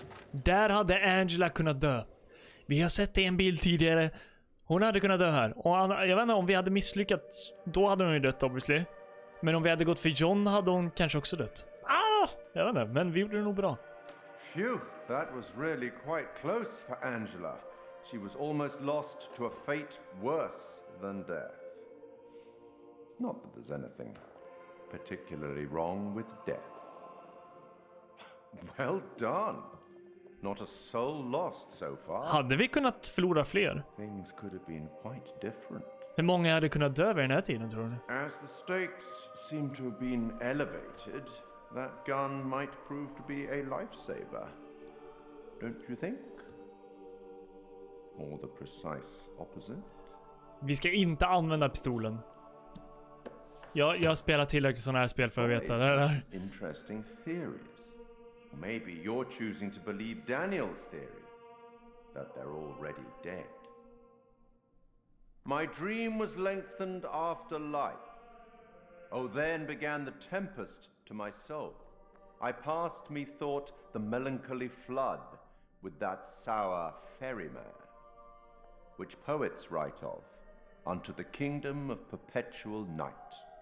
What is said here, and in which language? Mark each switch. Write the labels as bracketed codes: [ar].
[sv] Där hade Angela kunnat dö. Vi har sett det i en bild tidigare. Hon hade kunnat dö här. Och jag vet inte, om vi hade misslyckats, då hade hon ju dött, obviously. Men om vi hade gått för John hade hon kanske också dött. Ah! Jag vet inte, men vi gjorde det nog bra. [en] Phew, that was really quite close for Angela. She was almost lost to a fate worse than death. Not that there's anything particularly wrong with death. Well done. Not a soul lost so far. [sv] Hade vi kunnat förlora fler? [en] Things could have been quite different. [sv] Hur många hade kunnat dö vid den här tiden, tror du? [en] As the stakes seem to have been elevated, that gun might prove to be a lifesaver. Don't you think? Or the precise opposite? [sv] Vi ska inte använda pistolen. Jag spelar tillräckligt sådana här spel för att veta det där. [en] Interesting theories. Maybe you're choosing to believe Daniel's theory that they're already dead. My dream was lengthened after life. Oh, then began the tempest to my soul. I passed, methought, the melancholy flood with that sour ferryman, which poets write of, unto the kingdom of perpetual night.